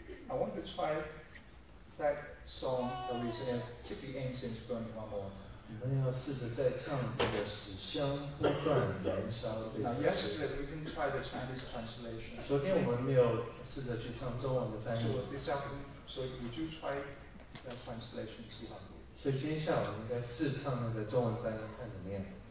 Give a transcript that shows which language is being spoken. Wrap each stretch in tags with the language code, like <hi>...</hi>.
<en>I want to try that song that we sang, Keep the Incense Burning One More.</en> <zh>你们要试着再唱这个使香不断燃烧这个。</zh> <en>Now yesterday we didn't try the Chinese translation.</en> <zh>昨天我们没有试着去唱中文的翻译。</zh> <en>So this afternoon, so would you try the translation?</en> <zh>希望你。所以今天下午应该试唱那个中文翻译看怎么样。</zh>